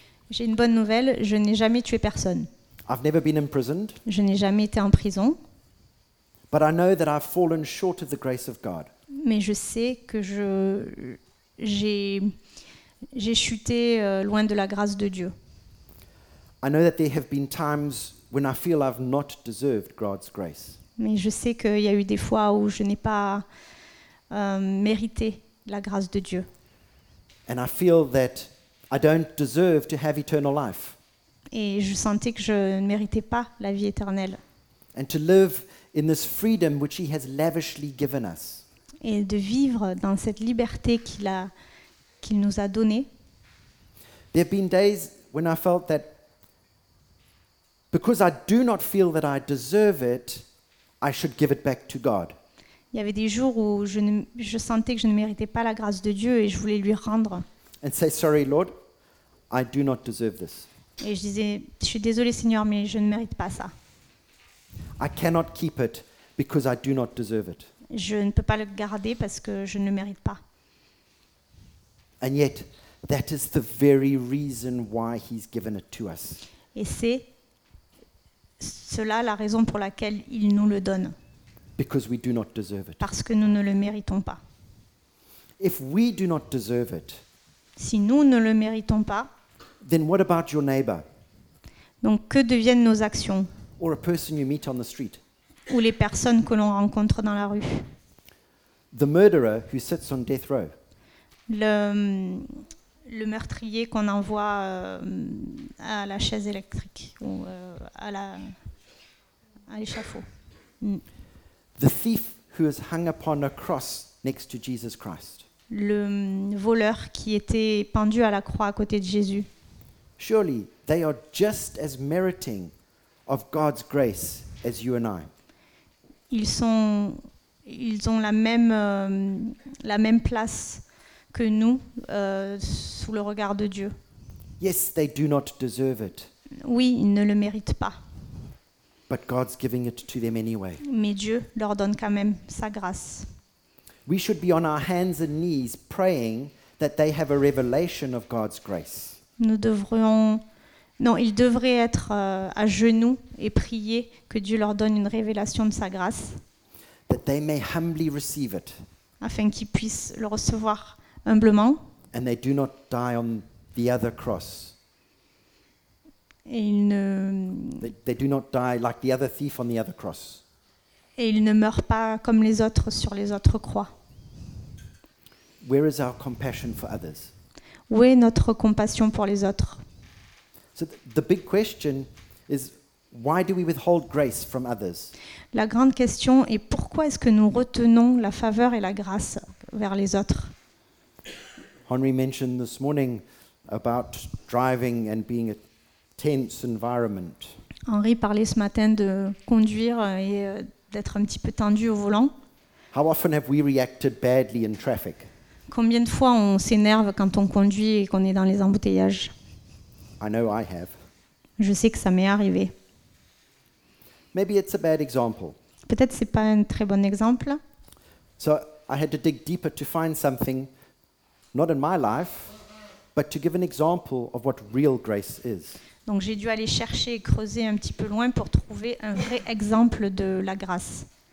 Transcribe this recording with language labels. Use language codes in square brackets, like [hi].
[fr] J'ai une bonne nouvelle, je n'ai jamais tué personne. [en] I've never been imprisoned. [fr] Je n'ai jamais été en prison. [en] But I know that I've fallen short of the grace of God. [fr] Mais je sais que j'ai chuté loin de la grâce de Dieu. [en] I know that there have been times when I feel I've not deserved God's grace. [fr] Mais je sais qu'il y a eu des fois où je n'ai pas mérité la grâce de Dieu. [en] And I feel that I don't deserve to have eternal life. [fr] Et je sentais que je ne méritais pas la vie éternelle. [en] And to live in this freedom which he has lavishly given us. [fr] Et de vivre dans cette liberté qu'il nous a donnée. [en] There have been days when I felt that because I do not feel that I deserve it, I should give it back to God. [fr] Il y avait des jours où je sentais que je ne méritais pas la grâce de Dieu et je voulais lui rendre. [en] And say, sorry, Lord, I do not deserve this. [fr] Et je disais, je suis désolé, Seigneur, mais je ne mérite pas ça. [en] I cannot keep it because I do not deserve it. [fr] Je ne peux pas le garder parce que je ne le mérite pas. [en] And yet, that is the very reason why he's given it to us. [fr] Et c'est cela la raison pour laquelle il nous le donne. [en] Because we do not deserve it. [fr] Parce que nous ne le méritons pas. [en] If we do not deserve it, [fr] si nous ne le méritons pas, [en] then what about your neighbor? [fr] Donc que deviennent nos actions? [en] Or a person you meet on the street. [fr] Ou les personnes que l'on rencontre dans la rue. [en] The murderer who sits on death row. [fr] Le meurtrier qu'on envoie à la chaise électrique ou à l'échafaud. [en] The thief who is hung upon a cross next to Jesus Christ. [fr] Le voleur qui était pendu à la croix à côté de Jésus. [en] Surely they are just as meriting of God's grace as you and I. [fr] Ils ont la même place que nous sous le regard de Dieu. [en] Yes, they do not deserve it. [fr] Oui, ils ne le méritent pas. [en] But God's giving it to them anyway. [fr] Mais Dieu leur donne quand même sa grâce. [en] We should be on our hands and knees praying that they have a revelation of God's grace. [fr] Ils devraient être à genoux et prier que Dieu leur donne une révélation de sa grâce. [en] That they may humbly receive it. [fr] Afin qu'ils puissent le recevoir humblement. [en] And they do not die on the other cross. [fr] Et ils ne [en] they do not die like the other thief on the other cross. [fr] Et ils ne meurent pas comme les autres sur les autres croix. [en] Where is our compassion for others? [fr] Où est notre compassion pour les autres? [en] So the big question is why do we withhold grace from others? [fr] La grande question est pourquoi est-ce que nous retenons la faveur et la grâce vers les autres? [en] Henry mentioned this morning about driving and being a tense environment. [fr] Henri parlait ce matin de conduire et d'être un petit peu tendu au volant. [en] How often have we reacted badly in traffic? [fr] Combien de fois on s'énerve quand on conduit et qu'on est dans les embouteillages? [en] I know I have. [fr] Je sais que ça m'est arrivé. [en] Maybe it's a bad example. [fr] Peut-être c'est pas un très bon exemple. [en] So I had to dig deeper to find something not in my life but to give an example of what real grace is. [fr] Donc j'ai dû aller chercher et creuser un petit peu loin pour trouver un vrai exemple de la grâce.